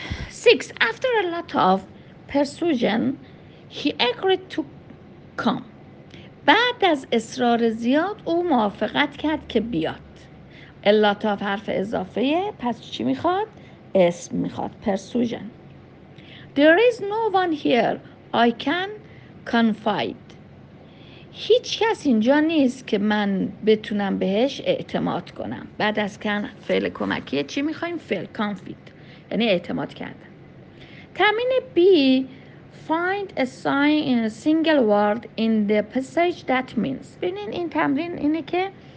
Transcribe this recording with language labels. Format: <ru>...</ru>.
<en>6. After a lot of persuasion he agreed to come.</en> <fa>بعد از اصرار زیاد او موافقت کرد که بیاد. الاتا حرف اضافه، پس چی میخواد؟ اسم میخواد، پرسوژن.</fa> <en>There is no one here I can confide.</en> <fa>هیچ کس اینجا نیست که من بتونم بهش اعتماد کنم. بعد از کن فعل کمکیه چی میخواییم؟ فعل کانفید، یعنی اعتماد کردن.</fa> <en>تمرین B، find a sign in a single word in the passage that means.</en> <fa>ببینین این تمرین اینه که</fa>